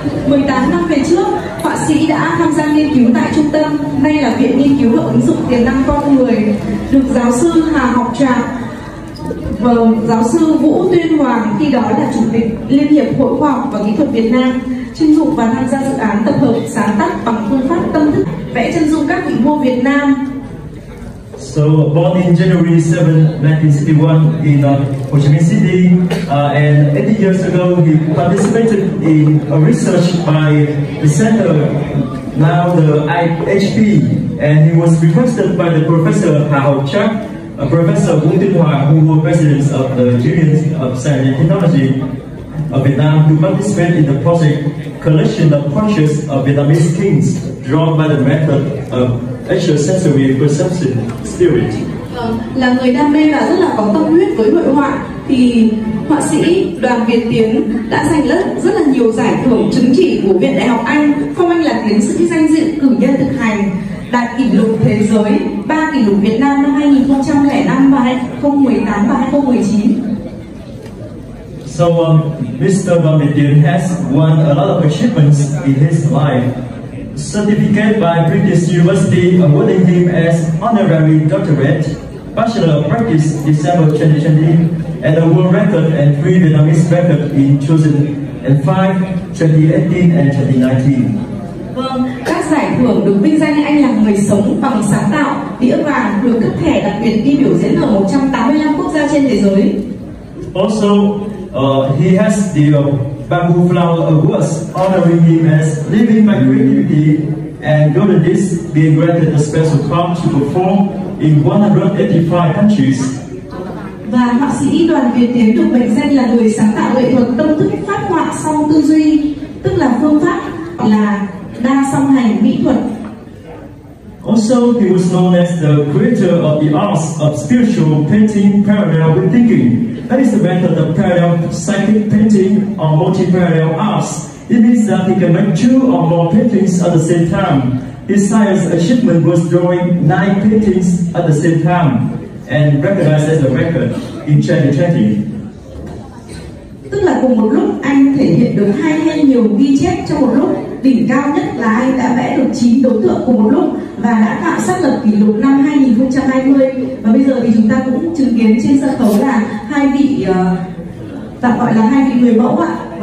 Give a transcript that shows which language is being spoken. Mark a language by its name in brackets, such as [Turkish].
[Vietnamese] 18 năm về trước, họa sĩ đã tham gia nghiên cứu tại trung tâm, nay là Viện Nghiên cứu và Ứng dụng Tiềm năng Con người, được giáo sư Hà Ngọc Trạng và giáo sư Vũ Tuyên Hoàng, khi đó là chủ tịch Liên hiệp Hội Khoa học và Kỹ thuật Việt Nam, chuyên dụng và tham gia dự án tập hợp sáng tác bằng phương pháp tâm thức vẽ chân dung các vị vua Việt Nam. [English] So born in January 7, 1961 in Ho Chi Minh City, and 80 years ago he participated in a research by the center, now the IHP, and he was requested by the professor Hà Hậu Trác, professor Vũ Tuyên Hoàng, who was president of the Union of Science and Technology of Vietnam, to participate in the project Collection of Portraits of Vietnamese Kings drawn by the method of extrasensory perception spirit. [Vietnamese] Là người đam mê và rất là có tâm huyết với hội họa, thì họa sĩ Đoàn Việt Tiến đã giành rất là nhiều giải thưởng chứng chỉ của Viện Đại học Anh, phong anh là tiến sĩ danh dự cử nhân thực hành, đạt kỷ lục thế giới, 3 kỷ lục Việt Nam năm 2005 và 2018 và 2019. [English] So Mr. Đoàn Việt Tiến has won a lot of achievements in his life. Certificate by British University awarding him as honorary doctorate, Bachelor of Practice, December 2020, and a world record and 3 Vietnamese record in 2005, 2018 and 2019. [Vietnamese] Vâng, các giải thưởng được vinh danh anh là người sống bằng sáng tạo, đĩa vàng được cấp thẻ đặc biệt đi biểu diễn ở 185 quốc gia trên thế giới. [English] Also, he has the Bamboo Flower Awards honoring him as Living Magnanimity and Golden Disc, being granted a special call to perform in 185 countries. [Vietnamese] Và họa sĩ Đoàn Việt Tiến được mệnh danh là người sáng tạo nghệ thuật tâm thức phát họa song tư duy, tức là phương pháp là đa song hành mỹ thuật. [English] Also, he was known as the creator of the arts of spiritual painting parallel with thinking. That is the method of parallel psychic painting or multi-parallel arts. It means that he can make two or more paintings at the same time. His science achievement was drawing 9 paintings at the same time and recognized as a record in 2020. [Vietnamese] Tức là cùng một lúc anh thể hiện được hai hay nhiều ghi chép trong một lúc, đỉnh cao nhất là anh đã vẽ được 9 đối tượng cùng một lúc và đã tạo xác lập kỷ lục năm 2020. Và bây giờ thì chúng ta cũng chứng kiến trên sân khấu là hai vị tạm gọi là hai vị người mẫu ạ.